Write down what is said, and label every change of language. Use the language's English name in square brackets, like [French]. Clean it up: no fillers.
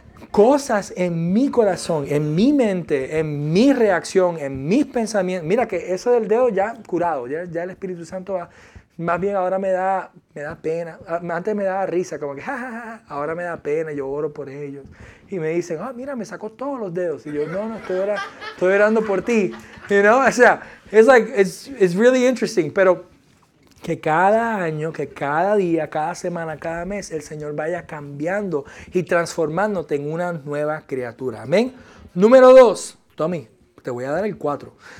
[Spanish] Cosas en mi corazón, en mi mente, en mi reacción, en mis pensamientos. Mira que eso del dedo ya curado, ya el Espíritu Santo va. Más bien ahora me da pena. Antes me daba risa, como que ja, ja, ja. Ahora me da pena, yo oro por ellos. Y me dicen, ah, mira, me sacó todos los dedos. Y yo, no, estoy orando por ti. [English] You know? [Spanish] O sea, [English] it's really interesting. [Spanish] Pero que cada año, que cada día, cada semana, cada mes, el Señor vaya cambiando y transformándote en una nueva criatura. Amén. Número dos. Tommy, te voy a dar el cuatro.